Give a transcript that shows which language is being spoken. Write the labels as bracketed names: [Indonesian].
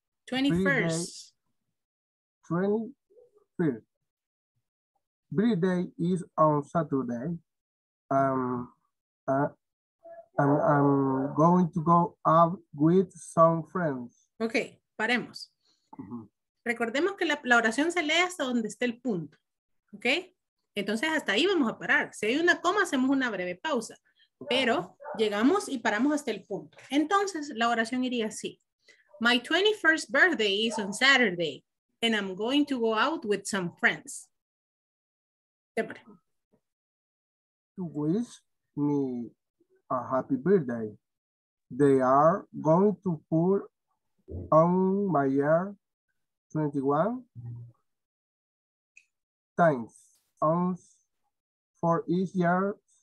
[English] 21st. 21st. Birthday is on Saturday. I'm going to go out with some friends. [Spanish] Ok, paremos. Recordemos que la oración se lee hasta donde esté el punto. Ok, entonces hasta ahí vamos a parar. Si hay una coma, hacemos una breve pausa. Pero llegamos y paramos hasta el punto. Entonces la oración iría así. [English] My 21st birthday is on Saturday and I'm going to go out with some friends. [Spanish] ¿Qué pare? [English] To wish me a happy birthday. They are going to pull on my ear 21 times once for each year.